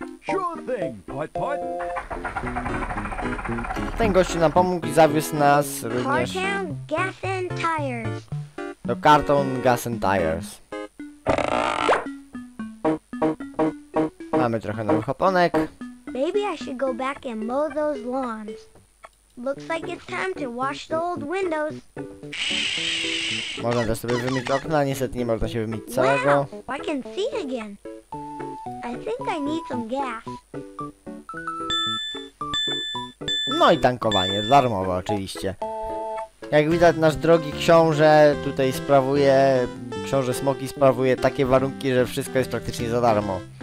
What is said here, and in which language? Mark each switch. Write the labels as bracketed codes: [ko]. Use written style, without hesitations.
[en] Sure thing, Putt-Putt. [pl] Ten gość nam pomógł i zawiózł nas również [en] Cartown Gas and Tires. [pl] Do Cartown Gas and Tires. Mamy trochę nowych oponek. [en] Maybe I should go back and mow those lawns. Looks like it's time to wash the old windows. [pl] Można też sobie wymyć okna, niestety nie można się wymyć całego. [en] Wow, I can see again. I think I need some gas. [pl] No i tankowanie, darmowe oczywiście. Jak widać, nasz drogi książę tutaj sprawuje, książę Smoki sprawuje takie warunki, że wszystko jest praktycznie za darmo.